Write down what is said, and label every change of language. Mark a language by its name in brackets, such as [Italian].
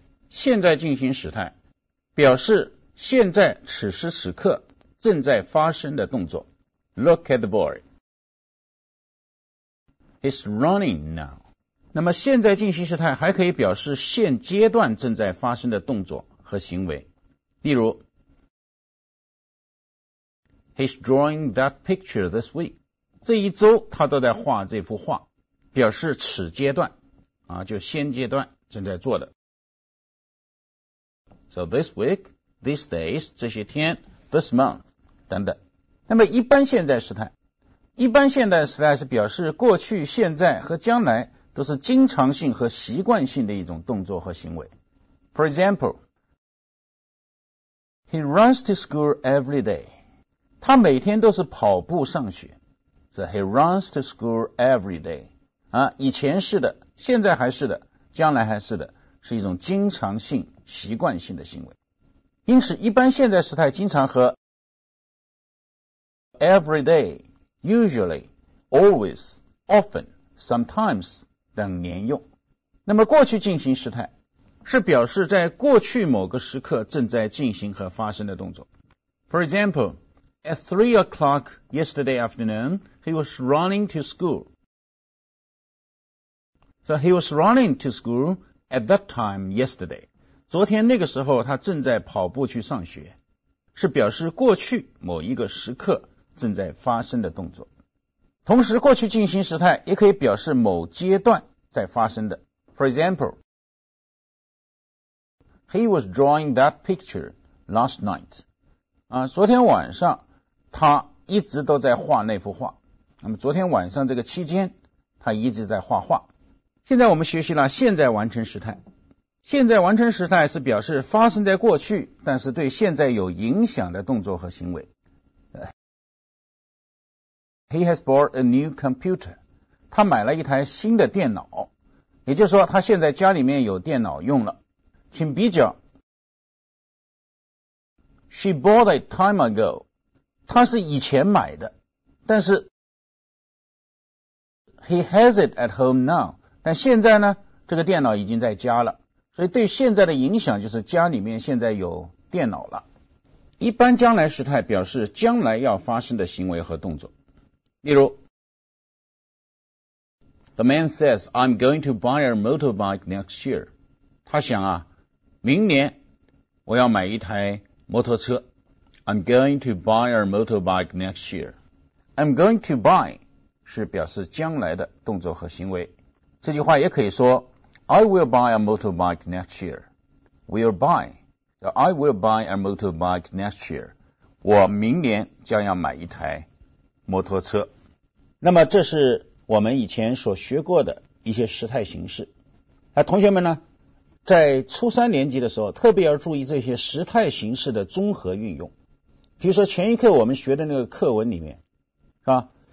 [Chinese] 现在进行时态表示现在此时此刻正在发生的动作。 [English] Look at the boy. He's running now. [Chinese] 那么现在进行时态还可以表示现阶段正在发生的动作和行为。例如 [English] He's drawing that picture this week. [Chinese] 这一周他都在画这幅画，表示此阶段啊，就现阶段正在做的。 [English] So this week, these days, [Chinese] 这些天 [English] this month, [Chinese] 等等。那么一般现在时态，一般现在时态是表示过去、现在和将来都是经常性和习惯性的一种动作和行为。 [English] For example, he runs to school every day. [Chinese] 他每天都是跑步上学。 [English] So he runs to school every day. [Chinese] 啊，以前是的，现在还是的，将来还是的，是一种经常性习惯性的行为。因此一般现在时态经常和 [English] everyday, usually, always, often, sometimes [Chinese] 等连用。那么过去进行时态是表示在过去某个时刻正在进行和发生的动作。 [English] For example, at 3 o'clock yesterday afternoon, he was running to school. So he was running to school at that time yesterday. [Chinese] 昨天那个时候他正在跑步去上学，是表示过去某一个时刻正在发生的动作。同时过去进行时态也可以表示某阶段在发生的。 [English] For example, he was drawing that picture last night. [Chinese] 啊，昨天晚上他一直都在画那幅画。那么昨天晚上这个期间他一直在画画。现在我们学习了现在完成时态。现在完成时态是表示发生在过去但是对现在有影响的动作和行为。 [English] He has bought a new computer. [Chinese] 他买了一台新的电脑，也就是说他现在家里面有电脑用了。请比较 [English] She bought it time ago. [Chinese] 他是以前买的，但是 [English] He has it at home now. [Chinese] 但现在呢，这个电脑已经在家了，所以对现在的影响就是家里面现在有电脑了。一般将来时态表示将来要发生的行为和动作。例如 [English] The man says, I'm going to buy a motorbike next year. [Chinese] 他想啊，明年我要买一台摩托车。 [English] I'm going to buy a motorbike next year. I'm going to buy [Chinese] 是表示将来的动作和行为。这句话也可以说 [English] I will buy a motorbike next year. We'll buy. I will buy a motorbike next year. [Chinese] 我明年将要买一台摩托车。那么这是我们以前所学过的一些时态形式。那同学们呢，在初三年级的时候特别要注意这些时态形式的综合运用。比如说前一课我们学的那个课文里面，是吧？